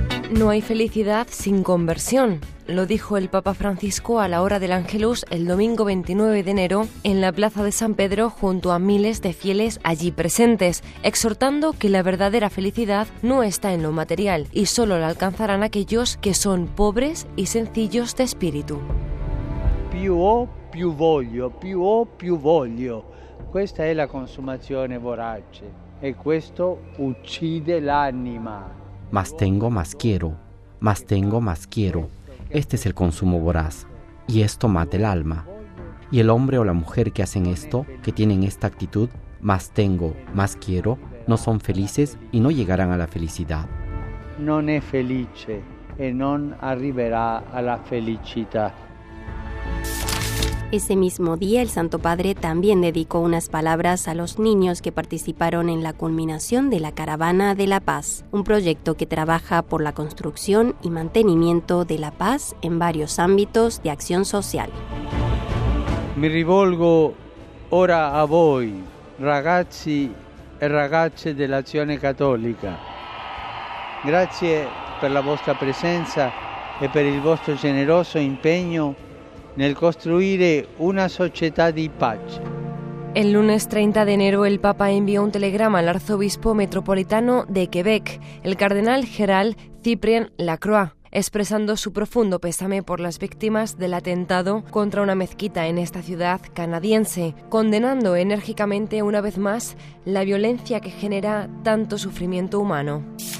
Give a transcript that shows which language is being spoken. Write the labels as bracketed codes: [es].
[es] No hay felicidad sin conversión, lo dijo el Papa Francisco a la hora del Ángelus el domingo 29 de enero en la Plaza de San Pedro junto a miles de fieles allí presentes, exhortando que la verdadera felicidad no está en lo material y solo la alcanzarán aquellos que son pobres y sencillos de espíritu. [it] Più ho, più voglio, più ho, più voglio. Questa è la consumazione vorace e questo uccide l'anima. [es] Más tengo, más quiero. Más tengo, más quiero. Este es el consumo voraz. Y esto mata el alma. Y el hombre o la mujer que hacen esto, que tienen esta actitud, más tengo, más quiero, no son felices y no llegarán a la felicidad. No es feliz y no arriverá a la felicidad. Ese mismo día, el Santo Padre también dedicó unas palabras a los niños que participaron en la culminación de la Caravana de la Paz, un proyecto que trabaja por la construcción y mantenimiento de la paz en varios ámbitos de acción social. [it] Me rivolgo ahora a voi, ragazzi e ragazze dell'Azione Cattolica. Grazie per la vostra presenza e per il vostro generoso impegno nel costruire una società di pace. [es] El lunes 30 de enero el Papa envió un telegrama al arzobispo metropolitano de Quebec, el cardenal Gérald Cyprien Lacroix, expresando su profundo pésame por las víctimas del atentado contra una mezquita en esta ciudad canadiense, condenando enérgicamente una vez más la violencia que genera tanto sufrimiento humano.